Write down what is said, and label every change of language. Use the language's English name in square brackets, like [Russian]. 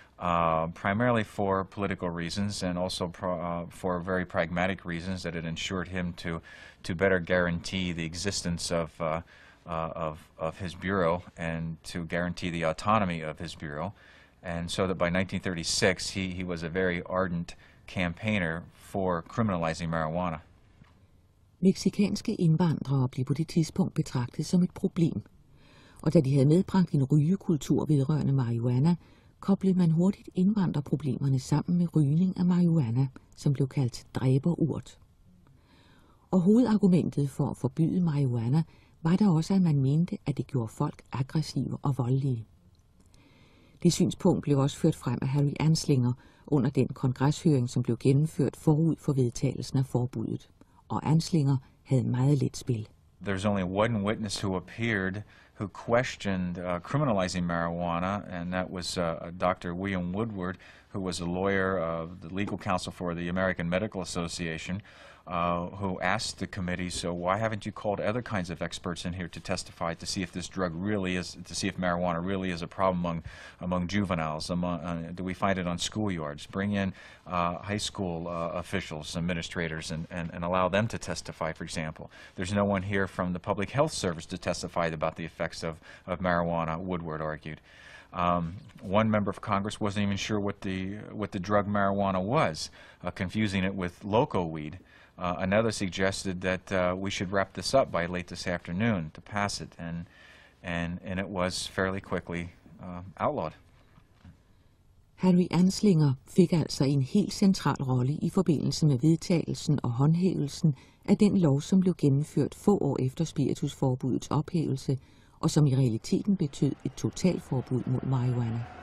[English] Primarily for political reasons and also for very pragmatic reasons that it ensured him to better guarantee the existence of of his bureau and to guarantee the autonomy of his bureau. And so that by 1936, he was a very ardent campaigner for criminalizing marijuana. [Danish] Mexicanske indvandrere blev på det tidspunkt betragtet som et problem. Og da de havde medbragt en rygekultur vedrørende marihuana, koblede man hurtigt indvandrerproblemerne sammen med rygning af marihuana, som blev kaldt dræberurt. Og hovedargumentet for at forbyde marihuana var da også, at man mente, at det gjorde folk aggressive og voldelige. Det synspunkt blev også ført frem af Harry Anslinger under den kongreshøring, som blev gennemført forud for vedtagelsen af forbuddet. Og Anslinger havde meget lidt spil. [English] There's only one witness who appeared who questioned criminalizing marijuana, and that was Dr. William Woodward, who was a lawyer of the legal counsel for the American Medical Association, who asked the committee, so why haven't you called other kinds of experts in here to testify to see if this drug really is, to see if marijuana really is a problem among juveniles, do we find it on schoolyards? Bring in high school officials, administrators, and allow them to testify, for example. There's no one here from the Public Health Service to testify about the effects of marijuana, Woodward argued. One member of Congress wasn't even sure what the drug marijuana was, confusing it with loco weed. Another suggested that we should wrap this up by late this afternoon to pass it, and it was fairly quickly outlawed. [Danish] Harry Anslinger fik altså en helt central rolle i forbindelse med vedtagelsen og håndhævelsen af den lov, som blev gennemført få år efter spiritusforbudets ophævelse, og som i realiteten betød et totalforbud mod marihuana.